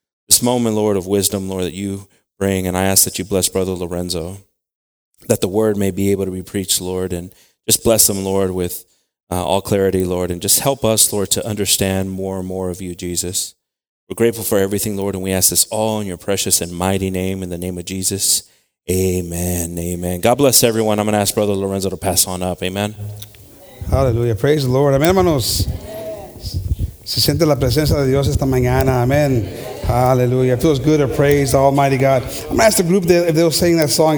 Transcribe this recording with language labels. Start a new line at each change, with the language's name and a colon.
English: This moment, Lord, of wisdom, Lord, that you bring, and I ask that you bless Brother Lorenzo, that the word may be able to be preached, Lord, and just bless him, Lord, with all clarity, Lord, and just help us, Lord, to understand more and more of you, Jesus. We're grateful for everything, Lord, and we ask this all in your precious and mighty name, in the name of Jesus. Amen, amen. God bless everyone. I'm going to ask Brother Lorenzo to pass on up. Amen. Hallelujah. Praise the Lord. Amen, hermanos.
Spanish: Se siente la presencia de Dios esta mañana.
English: Amen. Hallelujah. It feels good to praise the Almighty God. I'm going to ask the group if they'll sing that song.